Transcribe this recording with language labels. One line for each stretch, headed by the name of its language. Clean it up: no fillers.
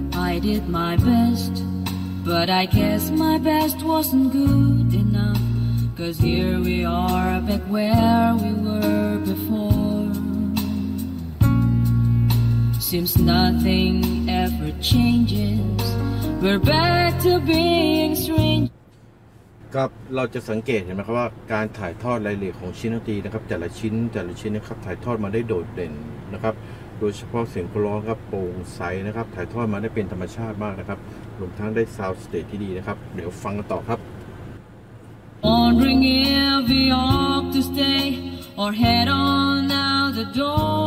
English: I did my best but I guess my best wasn't good enough cause here we are back where we were beforeSeems nothing ever changes. We're back to being strange.
Thai: ครับเราจะสังเกตเห็นไหมครับว่าการถ่ายทอดรายละเอียดของชิ้นดนตรีนะครับแต่ละชิ้นแต่ละชิ้นนะครับถ่ายทอดมาได้โดดเด่นนะครับโดยเฉพาะเสียงร้องครับโปร่งใสนะครับถ่ายทอดมาได้เป็นธรรมชาติมากนะครับรวมทั้งได้ sound state ที่ดีนะครับเดี๋ยวฟังกันต่อครับ
English: Wondering if we ought to stay or head on out the door.